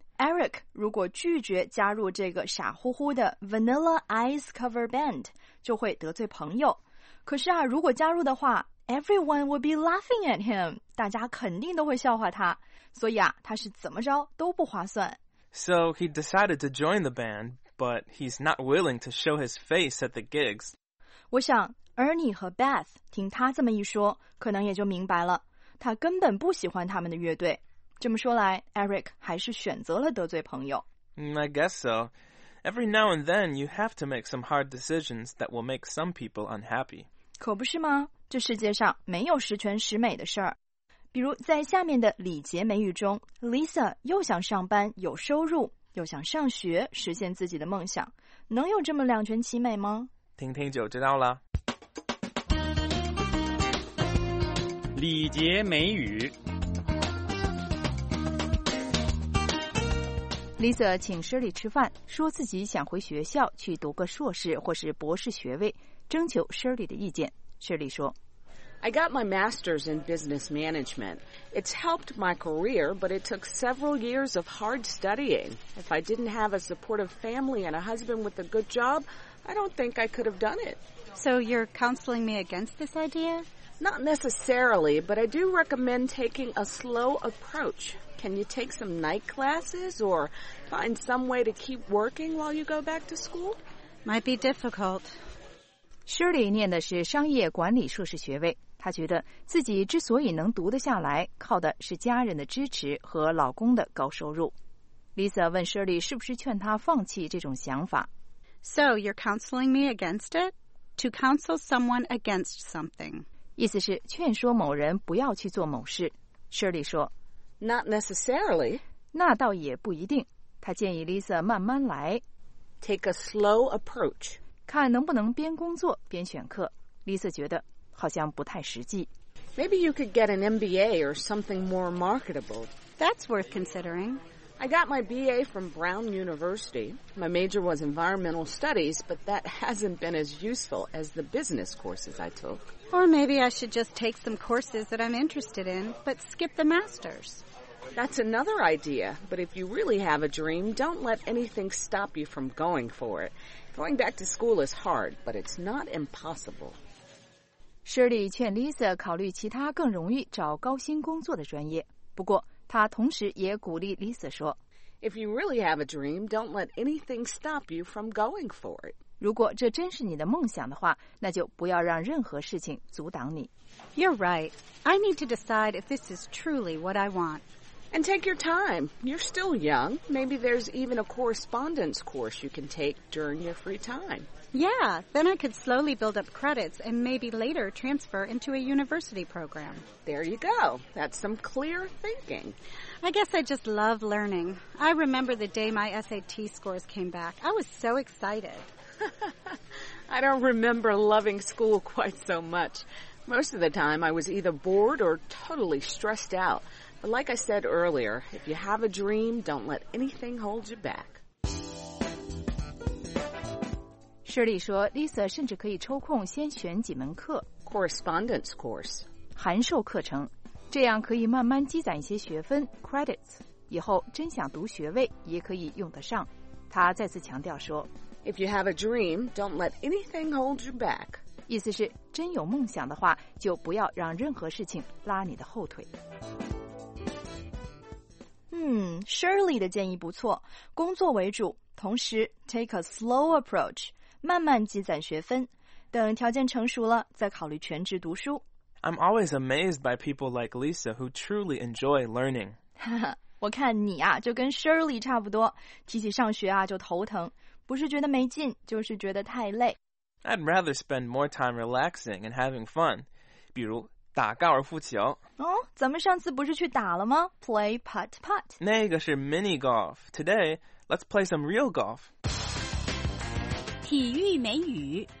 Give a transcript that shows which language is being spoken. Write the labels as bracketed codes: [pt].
[zh] Eric 如果拒绝加入这个傻乎乎的 Vanilla Ice Cover Band， 就会得罪朋友。可是啊，如果加入的话， [en] Everyone would be laughing at him， [zh] 大家肯定都会笑话他。所以啊，他是怎么着都不划算。 [en] So he decided to join the band, but he's not willing to show his face at the gigs. [zh] 我想 Ernie 和 Beth 听他这么一说，可能也就明白了，他根本不喜欢他们的乐队。这么说来， Eric 还是选择了得罪朋友。 [en] I guess so. Every now and then, you have to make some hard decisions that will make some people unhappy. [zh] 可不是吗？这世界上没有十全十美的事儿。比如在下面的礼节美语中， Lisa 又想上班有收入，又想上学实现自己的梦想，能有这么两全其美吗？听听就知道了。礼节美语。 Lisa 请 Shirley 吃饭，说自己想回学校去读个硕士或是博士学位，征求 Shirley 的意见。Shirley 说， [en] I got my master's in business management. It's helped my career, but it took several years of hard studying. If I didn't have a supportive family and a husband with a good job, I don't think I could have done it. So you're counseling me against this idea? Not necessarily, but I do recommend taking a slow approach. Can you take some night classes or find some way to keep working while you go back to school? Might be difficult. [zh] Shirley 念的是商业管理硕士学位，她觉得自己之所以能读得下来，靠的是家人的支持和老公的高收入。 Lisa 问 Shirley 是不是劝她放弃这种想法。 [en] So you're counseling me against it? To counsel someone against something. [zh] 意思是劝说某人不要去做某事。 Shirley 说， [en] Not necessarily. [zh] 那倒也不一定。她建议 Lisa 慢慢来。 [en] Take a slow approach. [zh] 看能不能边工作边选课。 Lisa 觉得好像不太实际。 [en] Maybe you could get an MBA or something more marketable. That's worth considering. I got my BA from Brown University. My major was environmental studies, but that hasn't been as useful as the business courses I took. Or maybe I should just take some courses that I'm interested in, but skip the master's. That's another idea, but if you really have a dream, don't let anything stop you from going for it. Going back to school is hard, but it's not impossible. [zh] Shirley 劝 Lisa 考虑其他更容易找高薪工作的专业。不过，她同时也鼓励 Lisa 说 [en] If you really have a dream, don't let anything stop you from going for it. [zh] 如果这真是你的梦想的话，那就不要让任何事情阻挡你。 [en] You're right. I need to decide if this is truly what I want. And take your time. You're still young. Maybe there's even a correspondence course you can take during your free time. Yeah, then I could slowly build up credits and maybe later transfer into a university program. There you go. That's some clear thinking. I guess I just love learning. I remember the day my SAT scores came back. I was so excited. I don't remember loving school quite so much. Most of the time, I was either bored or totally stressed out. But like I said earlier, if you have a dream, don't let anything hold you back. [zh] Shirley 说 ,Lisa 甚至可以抽空先选几门课 [en] ,correspondence course, [zh] 函授课程,这样可以慢慢积攒一些学分 ,credits, 以后真想读学位也可以用得上。他再次强调说 [en] ,If you have a dream, don't let anything hold you back. [zh] 意思是真有梦想的话就不要让任何事情拉你的后腿。 Shirley 的建议不错,工作为主,同时 [en] take a slow approach, [zh] 慢慢积攒学分，等条件成熟了再考虑全职读书。 [en] I'm always amazed by people like Lisa who truly enjoy learning. [zh] 我看你啊，就跟 Shirley 差不多，提起上学啊就头疼，不是觉得没劲，就是觉得太累。 [en] I'd rather spend more time relaxing and having fun. [zh] 比如打高尔夫球。哦，咱们上次不是去打了吗 ？ [en] Play putt putt. [zh] 那个是 [en] mini golf. Today, let's play some real golf. [zh] 体育美语